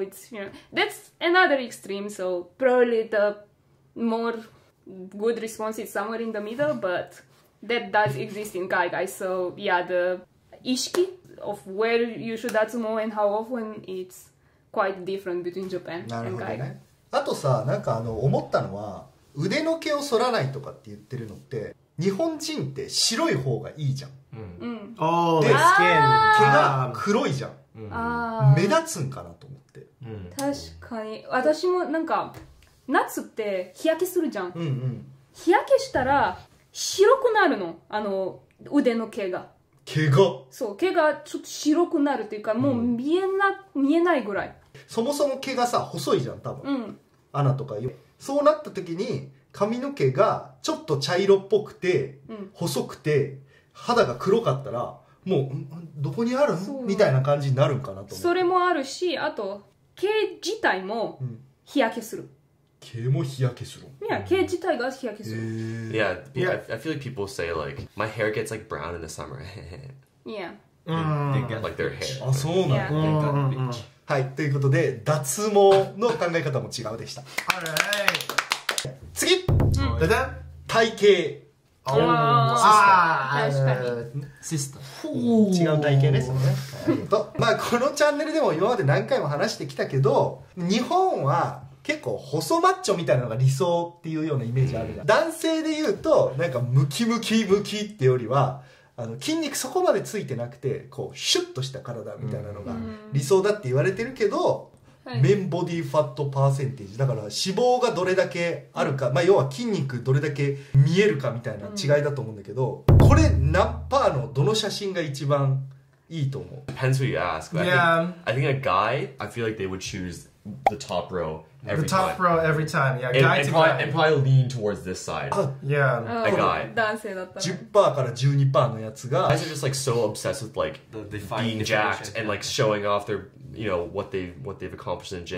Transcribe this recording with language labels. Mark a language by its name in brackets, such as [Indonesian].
[English] It's, you know, that's another extreme. So probably the more good response is somewhere in the middle. But that does exist in Kaigai. So yeah, the ishiki. Of where you should datsumo and how often it's quite different between Japan and Kaigai. [Japanese] なるほどね。あとさ、なんかあの思ったのは、腕の毛を剃らないとかって言ってるのって、日本人って白い方がいいじゃん。うん。おー、で、スキン。毛が黒いじゃん。あー。目立つんかなと思って。確かに。私もなんか、夏って日焼けするじゃん。うんうん。日焼けしたら、白くなるの。あの、腕の毛が。毛が、そう、毛がちょっと白くなるというか、もう見えないぐらい。そもそも毛がさ細いじゃん多分、うん、穴とかよ。そうなった時に髪の毛がちょっと茶色っぽくて、うん、細くて肌が黒かったらもうどこにあるみたいな感じになるんかなと思う。それもあるし、あと毛自体も日焼けする、うん、毛も日焼けする。いや、毛自体が日焼けする。 [English] Yeah, I feel like people say like my hair gets like brown in the summer. Yeah. like their hair. [Japanese] あ、そうなの。はい、ということで脱毛の考え方も違うでした。次、だだ、体型。ああ、確かに。シスト。違う体型ですね。と、まあこのチャンネルでも今まで何回も話してきたけど、日本は結構細マッチョみたいなのが理想っていうようなイメージあるじゃん。男性で言うとなんかムキムキムキってよりは、あの筋肉そこまでついてなくてこうシュッとした体みたいなのが理想だって言われてるけど、メンボディファットパーセンテージ、だから脂肪がどれだけあるか、まあ要は筋肉どれだけ見えるかみたいな違いだと思うんだけど、これ何パーのどの写真が一番いいと思う？ [English] Depends who you ask, but yeah. I think a guy, I feel like they would choose the top row every time. The top row every time, yeah. And, and probably lean towards this side. Yeah. A guy. [Japanese] 男性だったね。10% から 12% のやつが、 [English] guys are just like so obsessed with like being jacked and like showing off their, you know, what they've accomplished in the gym.